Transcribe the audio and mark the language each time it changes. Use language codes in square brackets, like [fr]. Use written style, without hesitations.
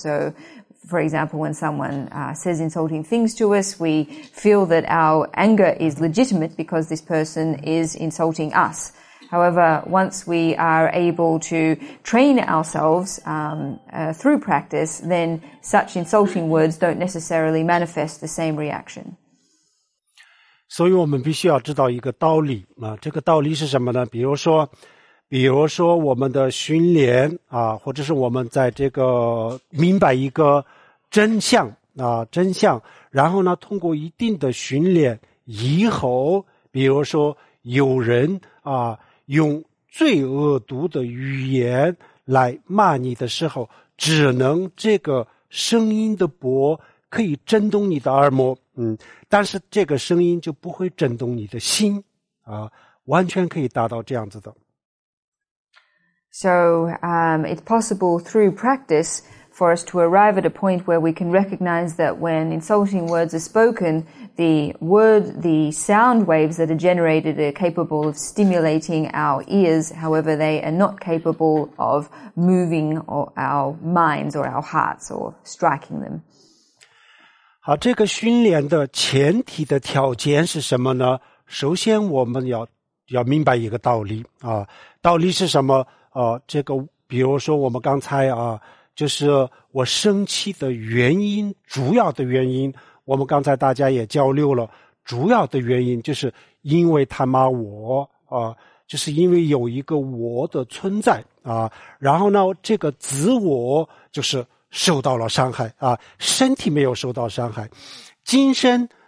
[en] So,For example, when someone says insulting things to us, we feel that our anger is legitimate because this person is insulting us. However, once we are able to train ourselves through practice, then such insulting words don't necessarily manifest the same reaction. [zh] 所以我们必须要知道一个道理啊，这个道理是什么呢？比如说我们的训练啊，或者是我们在这个明白一个真相真相，然后呢通过一定的训练以后，比如说有人用最恶毒的语言来骂你的时候，只能这个声音的波可以震动你的耳膜但是这个声音就不会震动你的心完全可以达到这样子的。 [en] So, it's possible through practice,for us to arrive at a point where we can recognize that when insulting words are spoken, the sound waves that are generated are capable of stimulating our ears. However, they are not capable of moving our minds or our hearts or striking them. [zh] 好，这个训练的前提的条件是什么呢？首先我们要明白一个道理道理是什么这个比如说我们刚才就是我生气的原因，主要的原因，我们刚才大家也交流了，主要的原因就是因为他骂我就是因为有一个我的存在然后呢，这个自我就是受到了伤害身体没有受到伤害，精神